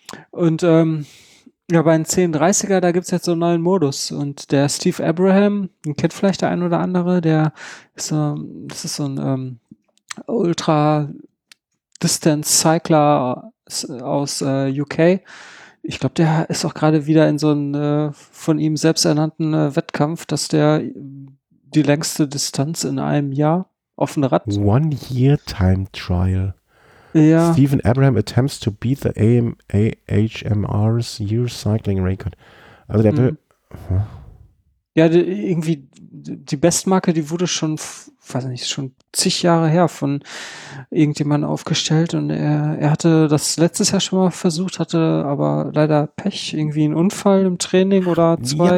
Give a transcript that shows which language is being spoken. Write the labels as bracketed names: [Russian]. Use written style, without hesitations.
[German] Und ja, bei den 1030er, da gibt es jetzt so einen neuen Modus und der Steve Abraham, den kennt vielleicht der ein oder andere, der ist so, das ist so ein Ultra- Distance Cycler aus UK. Ich glaube, der ist auch gerade wieder in so einem von ihm selbst ernannten Wettkampf, dass der die längste Distanz in einem Jahr auf dem Rad. [English] One Year Time Trial. [German] Ja. [English] Stephen Abraham attempts to beat the AMA HMR's Year Cycling Record. [German] Also der Ja, irgendwie die Bestmarke, die wurde schon, weiß nicht, schon zig Jahre her von irgendjemandem aufgestellt und er hatte das letztes Jahr schon mal versucht, hatte aber leider Pech, irgendwie einen Unfall im Training oder zwei.